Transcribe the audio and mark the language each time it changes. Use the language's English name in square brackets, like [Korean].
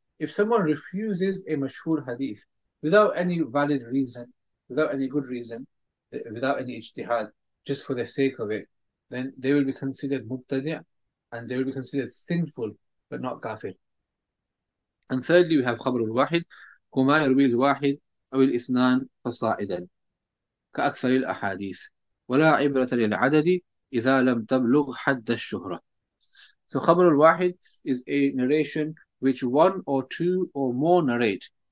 [English] If someone refuses a mashhur hadith without any valid reason, without any good reason, without any ijtihad, just for the sake of it, then they will be considered mubtadi' and they will be considered sinful, but not kafir. And thirdly, we have Khabr al Wahid. [Arabic] كما يروي الواحد أو الاثنان فصاعدا كأكثر الأحاديث ولا عبرة للعدد إذا لم تبلغ حد الشهرة. [English] So خبر الواحد is a narration which one or two or more narrate.